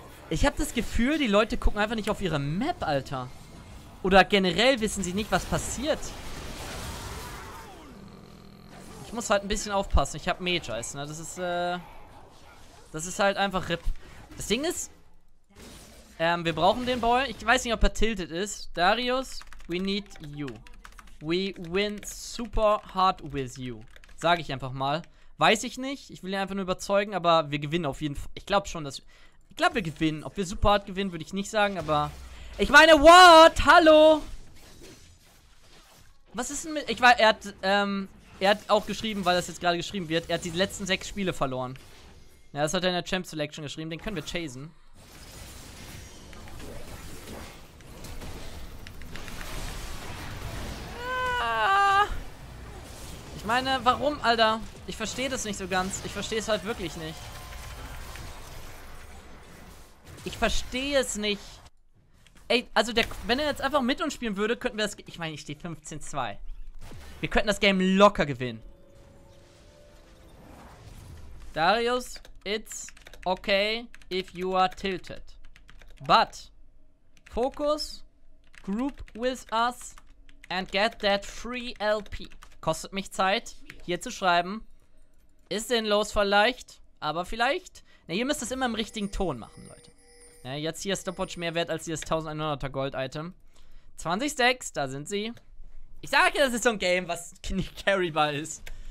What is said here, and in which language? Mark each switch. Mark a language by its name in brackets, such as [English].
[German] Ich habe das Gefühl, die Leute gucken einfach nicht auf ihre Map, Alter. Oder generell wissen sie nicht, was passiert. Ich muss halt ein bisschen aufpassen. Ich habe Major, ne? Das ist, das ist halt einfach RIP. Das Ding ist... wir brauchen den Ball. Ich weiß nicht, ob er tilted ist. [English] Darius, we need you. We win super hard with you. [German] Sage ich einfach mal. Weiß ich nicht. Ich will ihn einfach nur überzeugen, aber wir gewinnen auf jeden Fall. Ich glaube schon, dass... Ich glaube, wir gewinnen. Ob wir super hart gewinnen, würde ich nicht sagen, aber... Ich meine, what? Hallo? Was ist denn mit... Ich weiß, er hat auch geschrieben, weil das jetzt gerade geschrieben wird, er hat die letzten 6 Spiele verloren. Ja, das hat er in der Champ Selection geschrieben. Den können wir chasen. Ich meine, warum, Alter? Ich verstehe das nicht so ganz. Ich verstehe es halt wirklich nicht. Ich verstehe es nicht. Ey, also der, wenn er jetzt einfach mit uns spielen würde, könnten wir das... Ich meine, ich stehe 15-2. Wir könnten das Game locker gewinnen. [English] Darius, it's okay if you are tilted. But, focus, group with us and get that free LP. [German] Kostet mich Zeit, hier zu schreiben. Ist sinnlos vielleicht, aber vielleicht. Ne, ihr müsst das immer im richtigen Ton machen, Leute. Ne, jetzt hier Stopwatch mehr wert als dieses 1100er Gold-Item. 20 Stacks, da sind sie. Ich sage ja, das ist so ein Game, was nicht carrybar ist.